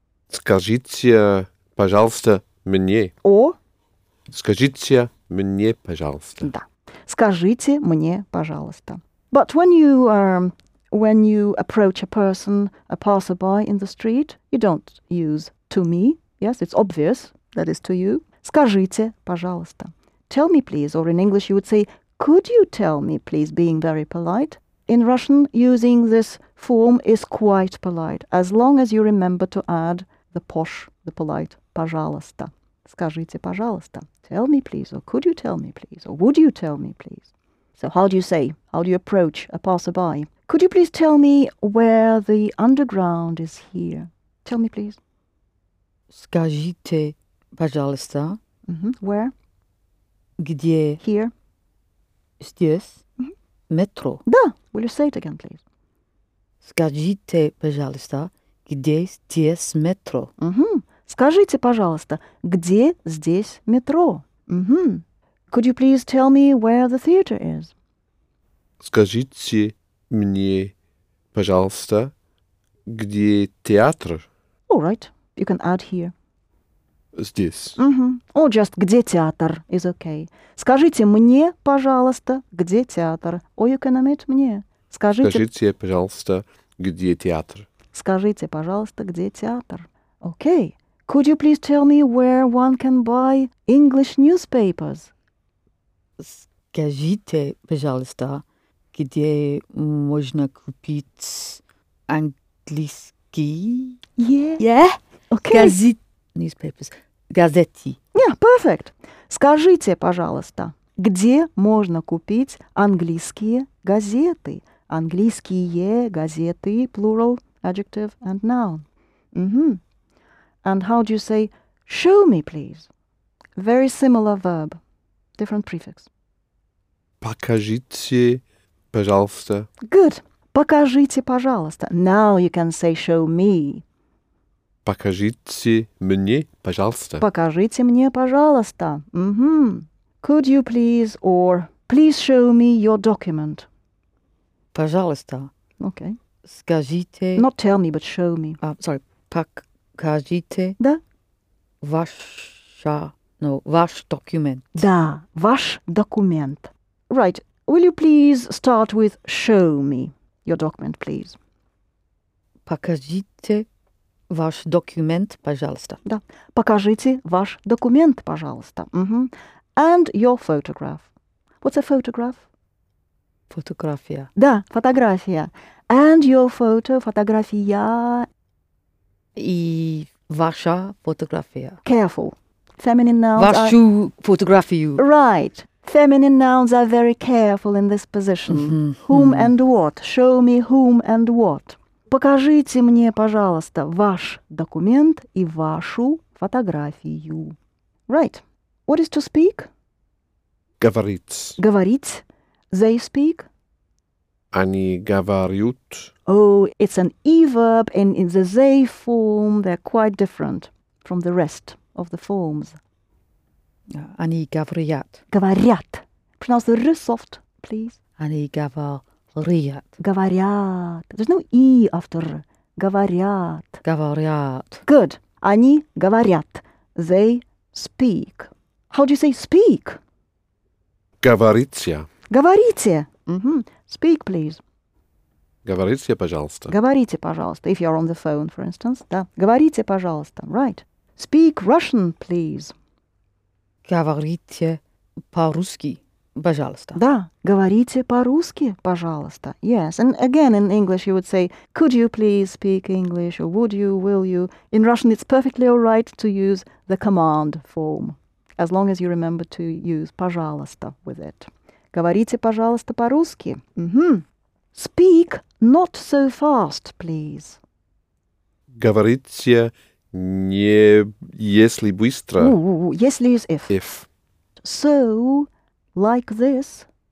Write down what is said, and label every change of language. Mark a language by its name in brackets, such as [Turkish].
[Russian] Скажите, пожалуйста, мне. О. Скажите мне, пожалуйста. Да. Скажите мне, пожалуйста. [English] But when you approach a person, a passerby in the street, you don't use to me. Yes, it's obvious that is to you. [Russian] Скажите, пожалуйста. [English] Tell me, please. Or in English, you would say, could you tell me, please, being very polite. In Russian, using this form is quite polite, as long as you remember to add the posh, the polite, пожалуйста. [Russian] Скажите, пожалуйста. [English] Tell me, please. Or could you tell me, please? Or would you tell me, please? So how do you say? How do you approach a passerby? Could you please tell me where the underground is here? Tell me, please. [Russian] Скажите, пожалуйста. [English] Mm-hmm. Where? [Russian] Где? [English] Here. [Russian] Здесь. Mm-hmm. Метро. [English] Да. Will you say it again, please? [Russian] Скажите, пожалуйста. Где здесь метро? Mm-hmm. Скажите, пожалуйста, где здесь метро? Mm-hmm. [English] Could you please tell me where the theater is? [Russian] Скажите мне, пожалуйста, где театр? [English] All right. You can add here. [Russian] Здесь. [English] Mm-hmm. Or just [Russian] где театр [English] is okay. [Russian] Скажите мне, пожалуйста, где театр? Or you can omit мне. Скажите, пожалуйста, где театр? Скажите, пожалуйста, где театр? [English] Okay. Could you please tell me where one can buy English newspapers? [Russian] Скажите, пожалуйста, где можно купить английские? [English] Yeah. Yeah. Okay. Newspapers. Газеты. Yeah, perfect. [Russian] Скажите, пожалуйста, где можно купить английские газеты? Английские газеты, [English] plural. Adjective and noun. Mm-hmm. And how do you say, show me, please? Very similar verb, different prefix. [Russian] Покажите, пожалуйста. [English] Good. [Russian] Покажите, пожалуйста. [English] Now you can say, show me. [Russian] Покажите мне, пожалуйста. Покажите мне, пожалуйста. Mm-hmm. [English] Could you please, or please show me your document. [Russian] Пожалуйста. [English] Okay. [Russian] Скажите. [English] Not tell me, but show me. Sorry. Покажите. [Russian] Да. Ваш документ. Да. Ваш документ. Right. [English] Will you please start with show me your document, please? [Russian] Покажите ваш документ, пожалуйста. Да. Покажите ваш документ, пожалуйста. [English] Mm-hmm. And your photograph. What's a photograph? [Russian] Фотография. Да, фотография. [English] And your photo, фотография. [Russian] И ваша фотография. [English] Careful. Feminine nouns [Russian] вашу [English] are... [Russian] Вашу фотографию. [English] Right. Feminine nouns are very careful in this position. Mm-hmm. Whom mm-hmm. and what? Show me whom and what. [Russian] Покажите мне, пожалуйста, ваш документ и вашу фотографию. [English] Right. What is to speak? [Russian] Говорить. [English] Говорить. They speak? [Russian] Они говорят. [English] Oh, it's an E verb, and in the they form, they're quite different from the rest of the forms. [Russian] Они говорят. [English] Говорят. Pronounce the R soft, please. [Russian] Они говорят. [English] Говорят. There's no E after R. Говорят. [Russian] Говорят. [English] Good. [Russian] Они говорят. [English] They speak. How do you say speak? [Russian] Говорите. [English] Говорите. Mm-hmm. Speak, please. [Russian] Говорите, пожалуйста. Говорите, пожалуйста. [English] If you're on the phone, for instance. Да. Говорите, пожалуйста. Right. Speak Russian, please. [Russian] Говорите по-русски, пожалуйста. Да. Говорите по-русски, пожалуйста. [English] Yes. And again, in English, you would say, could you please speak English? Or would you, will you? In Russian, it's perfectly all right to use the command form, as long as you remember to use пожалуйста with it. [Russian] Говорите, пожалуйста, по-русски. [English] Mm-hmm. Speak not so fast, please. [Russian] Говорите не если быстро. [English] Если is if. If. So, like this.